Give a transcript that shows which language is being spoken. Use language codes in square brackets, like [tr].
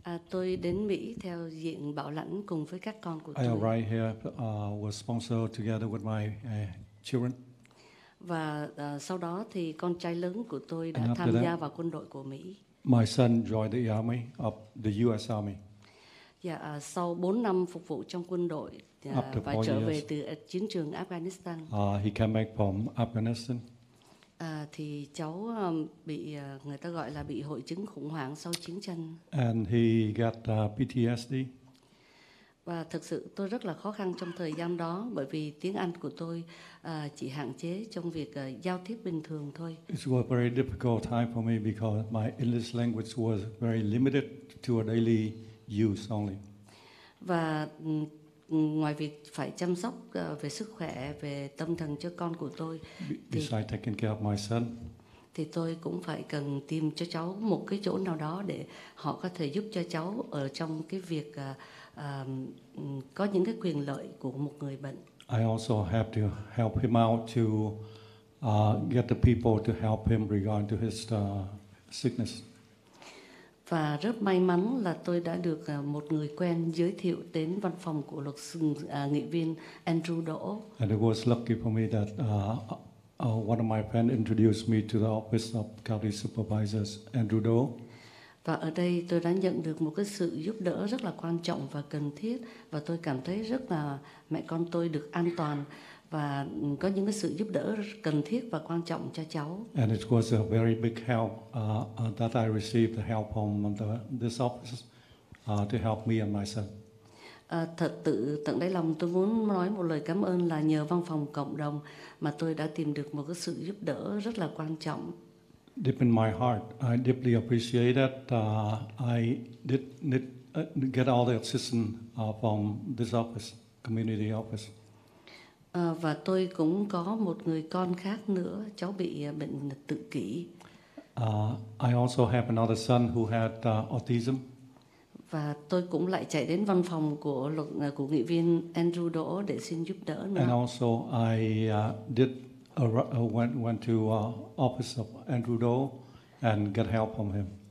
[vi] Tôi đến Mỹ theo diện bảo lãnh cùng với các con của tôi. [en] I arrived here was sponsored together with my children. [vi] Và sau đó thì con trai lớn của tôi đã tham gia vào quân đội của Mỹ. [en] My son joined the army of the U.S. Army. [vi] Yeah, sau 4 năm phục vụ trong quân đội và trở về từ chiến trường Afghanistan. [en] He came back from Afghanistan. [vi] Thì cháu bị người ta gọi là bị hội chứng khủng hoảng sau chiến tranh. [en] And he got PTSD. [vi] Và thực sự tôi rất là khó khăn trong thời gian đó bởi vì tiếng Anh của tôi chỉ hạn chế trong việc giao tiếp bình thường thôi. [en] It was a very difficult time for me because my English language was very limited to a daily use only. [vi] Và ngoài việc phải chăm sóc về sức khỏe, về tâm thần cho con của tôi, [en] besides taking care of my son, [vi] thì tôi cũng phải cần tìm cho cháu một cái chỗ nào đó để họ có thể giúp cho cháu ở trong cái việc có những cái quyền lợi của một người bệnh. [en] I also have to help him out to get the people to help him regarding to his sickness. [vi] Và rất may mắn là tôi đã được một người quen giới thiệu đến văn phòng của luật sư nghị viên Andrew Đỗ. [en] And it was lucky for me that one of my friends introduced me to the office of County Supervisors Andrew Đỗ. [vi] Và ở đây tôi đã nhận được một cái sự giúp đỡ rất là quan trọng và cần thiết, và tôi cảm thấy rất là mẹ con tôi được an toàn và có những cái sự giúp đỡ cần thiết và quan trọng cho cháu. [en] And it was a very big help that I received the help from this office to help me and my son. [vi] Thật tự tận đáy lòng tôi muốn nói một lời cảm ơn là nhờ văn phòng cộng đồng mà tôi đã tìm được một cái sự giúp đỡ rất là quan trọng. [en] Deep in my heart, I deeply appreciate that I did need, get all the assistance from this office, community office. [vi] Và tôi cũng có một người con khác nữa, cháu bị bệnh tự kỷ. [en] I also have another son who had autism. [vi] Và tôi cũng lại chạy đến văn phòng của luật của nghị viên Andrew Đỗ để xin giúp đỡ nữa. [en] And also I did went to office of Andrew Đỗ and get help from him.